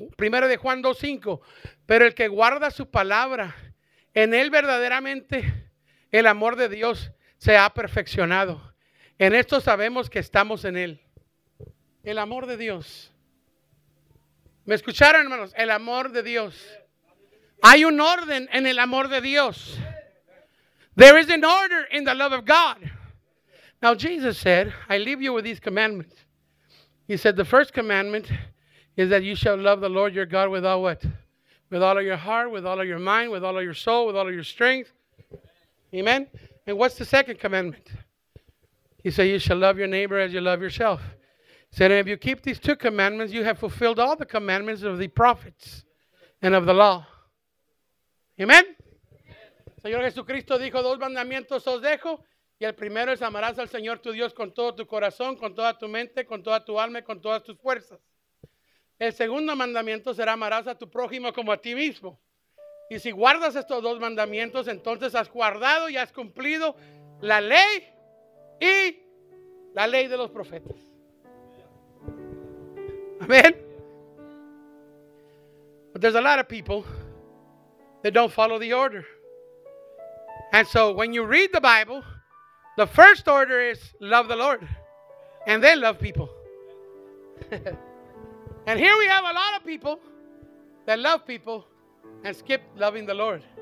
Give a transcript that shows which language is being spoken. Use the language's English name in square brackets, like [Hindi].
[Spanish] Primero de Juan 2:5. Pero el que guarda su palabra, en él verdaderamente el amor de Dios se ha perfeccionado. En esto sabemos que estamos en él. El amor de Dios. ¿Me escucharon, hermanos? El amor de Dios. Hay un orden en el amor de Dios. [English] There is an order in the love of God. Now Jesus said, I leave you with these commandments. He said, the first commandment is that you shall love the Lord your God with all what? With all of your heart, with all of your mind, with all of your soul, with all of your strength. Amen? And what's the second commandment? He said, you shall love your neighbor as you love yourself. He said, and if you keep these two commandments, you have fulfilled all the commandments of the prophets and of the law. [Spanish] Amen? Señor Jesucristo dijo, dos mandamientos os dejo. Y el primero es amarás al Señor tu Dios con todo tu corazón, con toda tu mente, con toda tu alma y con todas tus fuerzas. El segundo mandamiento será amarás a tu prójimo como a ti mismo. Y si guardas estos dos mandamientos, entonces has guardado y has cumplido la ley y la ley de los profetas. Amen. [English] But there's a lot of people that don't follow the order. And so when you read the Bible, the first order is love the Lord and then love people. And here we have a lot of people that love people and skip loving the Lord.